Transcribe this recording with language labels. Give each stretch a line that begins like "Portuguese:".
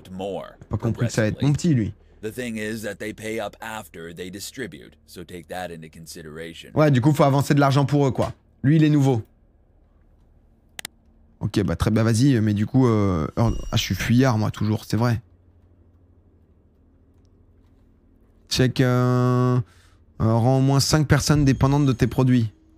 French: J'ai pas compris que ça allait être mon petit, lui.
English: The thing is that they pay up after they distribute, so take that into consideration.
French: Ouais, du coup, faut avancer de l'argent pour eux, quoi. Lui, il est nouveau. Ok, bah très bien, vas-y, mais du coup... je suis fuyard, moi, toujours, c'est vrai. Check... rend au moins 5 personnes dépendantes de tes produits.